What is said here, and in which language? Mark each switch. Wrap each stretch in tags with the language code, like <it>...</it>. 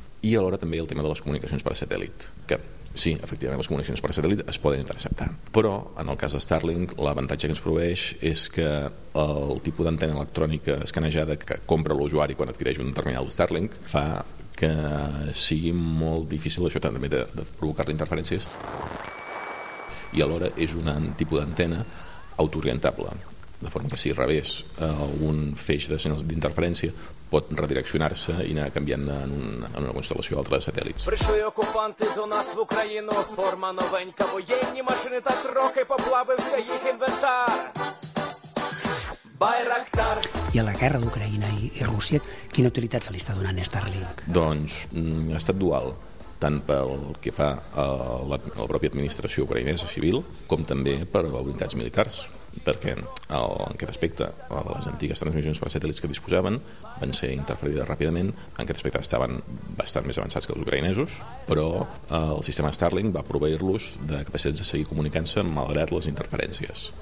<ca>I alhora també el tema de les comunicacions per satèl·lit, que sí, efectivament les comunicacions per satèl·lit es poden interceptar, però en el cas de Starlink l'avantatge que ens proveeix és que el tipus d'antena electrònica escanejada que compra l'usuari quan adquireix un terminal de Starlink fa que sigui molt difícil això també de provocar-li interferències, i alhora és un tipus d'antena autoorientable, de forma que si rebés algun feix de senyals d'interferència pot redireccionar-se i anar canviant en una constel·lació o altra de satèl·lits.</ca> <uk>Прийшли окупанти до нас в Україну, форма новенька, воєнні машини та трохи поплавився їх інвентар. Байрактар.</uk> <ca>I a la guerra d'Ucraïna i Rússia, quina utilitat se li està donant a Starlink? Doncs ha estat dual, tant pel que fa a la pròpia administració ucraïnesa civil com també per a unitats militars, perquè en aquest aspecte les antigues transmissions per satèl·lits que disposaven van ser interferides ràpidament, en aquest aspecte estaven bastant més avançats que els ucraïnesos, però el sistema Starlink va proveir-los de capacitats de seguir comunicant-se malgrat les interferències.</ca>